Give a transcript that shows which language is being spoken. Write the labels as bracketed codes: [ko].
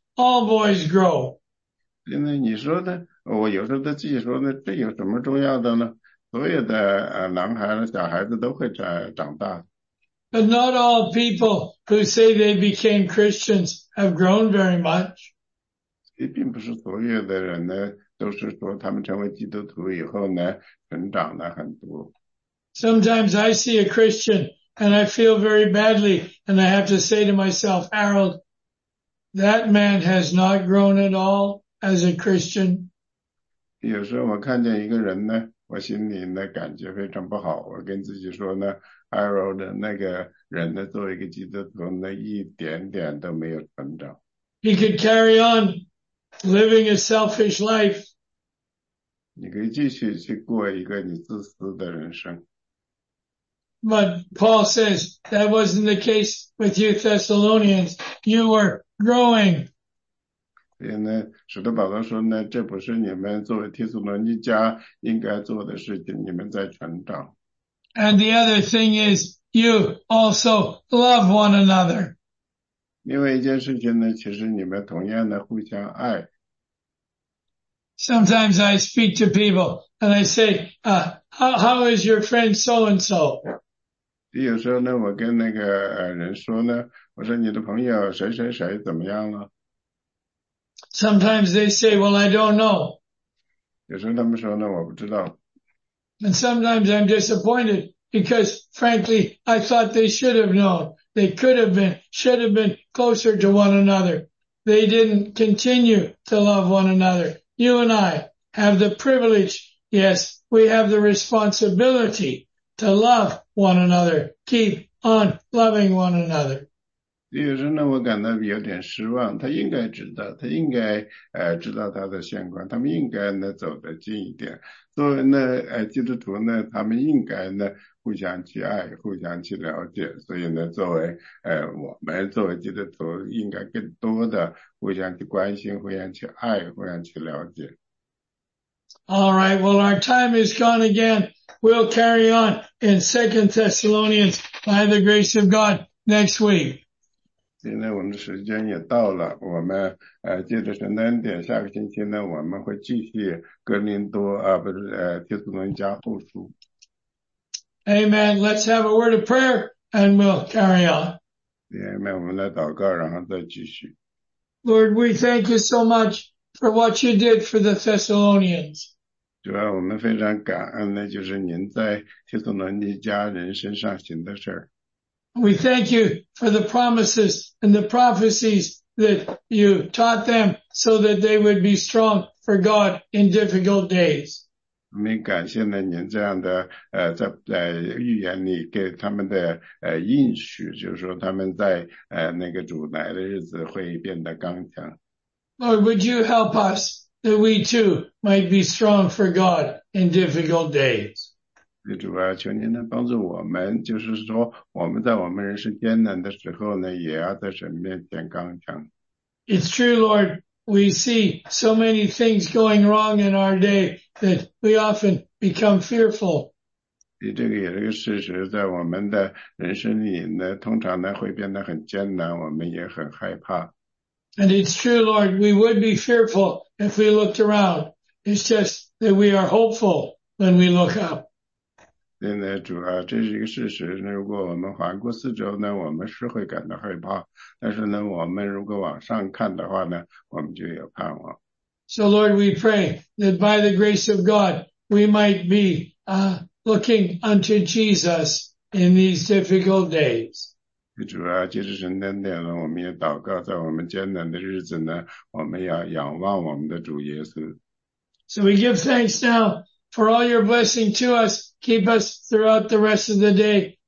[en] All boys grow." [zh] 现在你说的，我有时候都自己说呢，这有什么重要的呢？所有的男孩、小孩子都会长大。 [en] But not all people who say they became Christians have grown very much. [zh] 并不是所有的人呢，都是说他们成为基督徒以后呢，成长了很多。 [en] Sometimes I see a Christian and I feel very badly and I have to say to myself, Harold, that man has not grown at all as a Christian. [zh] 有时候我看见一个人呢，我心里呢感觉非常不好，我跟自己说呢，Harold 那个人呢，作为一个基督徒呢，一点点都没有成长。 [en] He could carry on living a selfish life. [zh] 你可以继续去过一个你自私的人生。 [en] But Paul says that wasn't the case with you Thessalonians. You were growing. [zh] 所以呢，使徒保罗说呢，这不是你们作为提斯罗尼迦应该做的事情，你们在成长。 [en] And the other thing is, you also love one another. [zh] 另外一件事情呢，其实你们同样的互相爱。 [en] Sometimes I speak to people and I say, how is your friend so-and-so? [zh] 有时候呢，我跟那个人说呢，我说你的朋友谁谁谁怎么样了？ [en] Sometimes they say, well, I don't know. [zh] 有时候他们说呢，我不知道。 [en] And sometimes I'm disappointed because, frankly, I thought they should have known. They could have been, should have been closer to one another. They didn't continue to love one another. You and I have the privilege, yes, we have the responsibility to love one another, keep on loving one another. [zh] 有时候呢，我感到有点失望。他应该知道，他应该知道他的现况，他们应该呢走得近一点。作为呢基督徒呢，他们应该呢互相去爱，互相去了解。所以呢，作为我们作为基督徒，应该更多的互相去关心，互相去爱，互相去了解。 [en] All right, well, our time is gone again. We'll carry on in 2 Thessalonians by the grace of God next week. [zh] 现在我们的时间也到了，我们借着神的恩典，下个星期呢，我们会继续哥林多不是帖撒罗尼迦后书。 [en] Amen. Let's have a word of prayer, and we'll carry on. Amen. [zh] 我们来祷告，然后再继续。 [en] Lord, we thank you so much for what you did for the Thessalonians. [zh] 主啊，我们非常感恩的就是您在帖撒罗尼迦人身上行的事儿。 [en] We thank you for the promises and the prophecies that you taught them so that they would be strong for God in difficult days. [zh] 我们感谢呢您这样的在预言里给他们的应许，就是说他们在那个主来的日子会变得刚强。 [en] Lord, would you help us that we too might be strong for God in difficult days? [zh] 主啊，求您能帮助我们，就是说我们在我们人生艰难的时候呢，也要在神面前刚强。 [en] It's true, Lord. We see so many things going wrong in our day that we often become fearful. [zh] 这个也是个事实，在我们的人生里呢，通常呢会变得很艰难，我们也很害怕。 [en] And it's true, Lord, we would be fearful if we looked around. It's just that we are hopeful when we look up. [zh] 现在主啊，这是一个事实。如果我们环顾四周呢，我们是会感到害怕。但是呢，我们如果往上看的话呢，我们就有盼望。 [en] So Lord, we pray that by the grace of God, we might be looking unto Jesus in these difficult days. [zh] 主啊，借着神的恩典呢，我们也祷告，在我们艰难的日子呢，我们要仰望我们的主耶稣。 [en] So we give thanks now for all your blessing to us. Keep us throughout the rest of the day.